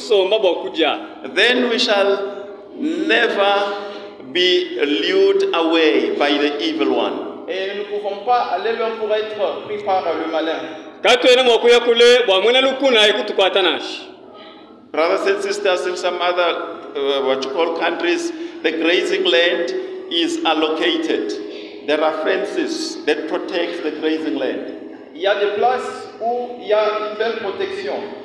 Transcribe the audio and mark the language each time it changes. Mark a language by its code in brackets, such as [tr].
[en] Then we shall never be lured away by the evil one. [fr] Et nous pouvons pas aller loin pour être pris par le malin. [en] Brothers and sisters in some other, what you call countries, the grazing land is allocated. There are fences that protect the grazing land. [fr] Il y a des places où il y a une belle protection.